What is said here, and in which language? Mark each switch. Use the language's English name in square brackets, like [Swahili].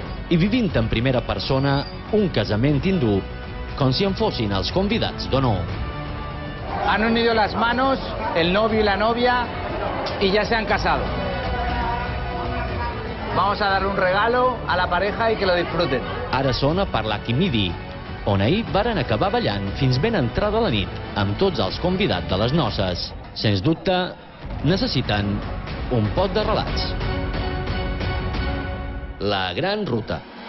[Catalan] I vivint en primera persona un casament hindú, com si en fossin els convidats d'honor. [Spanish] Han unido las manos, el novio y la novia, y ya se han casado. Vamos a dar un regalo a la pareja y que lo disfruten. [Catalan] Ara sona per la Kimidi, on ahir varen acabar ballant fins ben entrada la nit amb tots els convidats de les noces. Sens dubte, necessiten un pot de relats. La Gran Ruta.